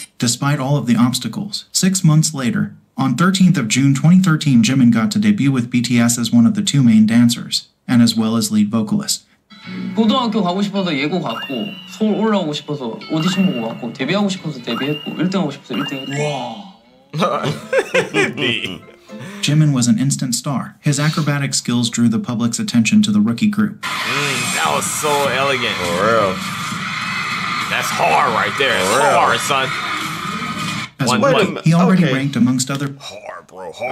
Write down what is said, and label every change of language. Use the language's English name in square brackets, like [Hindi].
[English] Despite all of the obstacles, 6 months later, on 13th of June 2013, Jimin got to debut with BTS as one of the two main dancers. And as well as lead vocalist. [Korean] 고등학교 가고 싶어서 예고 갔고 서울 올라오고 싶어서 오디션 보고 갔고 데뷔하고 싶어서 데뷔했고 1등 하고 싶어서 1등. 와. [English] Jimin was an instant star. His acrobatic skills drew the public's attention to the rookie group. That was so elegant. For real. That's hard right there. That's hard, son. As well, he already ranked amongst other. Hard, bro. Hard.